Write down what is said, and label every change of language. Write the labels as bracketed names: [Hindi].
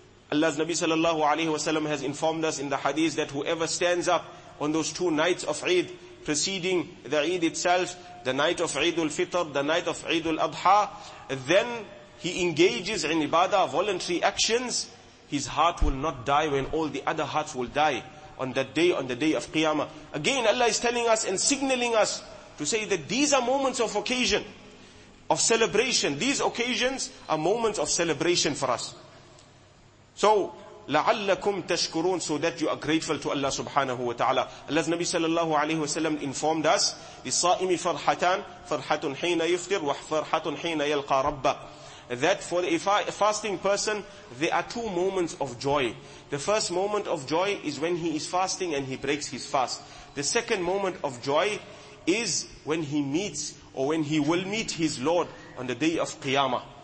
[English] Allah's Nabi sallallahu alayhi wa sallam has informed us in the hadith that whoever stands up on those 2 nights of Eid, preceding the Eid itself, the night of Eid al-Fitr, the night of Eid al-Adha, then he engages in ibadah, voluntary actions, his heart will not die when all the other hearts will die on the day of Qiyamah. Again, Allah is telling us and signaling us to say that these are moments of occasion, of celebration. These occasions are moments of celebration for us. So, [Arabic] لَعَلَّكُمْ تَشْكُرُونَ, [English] so that you are grateful to Allah subhanahu wa ta'ala. Allah's Nabi sallallahu alayhi wa sallam informed us, [Arabic] لِصَائِمِ فَرْحَتَانَ فَرْحَةٌ حِينَ يُفْتِرْ وَفَرْحَةٌ حِينَ يَلْقَى رَبَّ. [English] That for a fasting person, there are 2 moments of joy. The first moment of joy is when he is fasting and he breaks his fast. The second moment of joy is when he meets or when he will meet his Lord on the day of Qiyamah.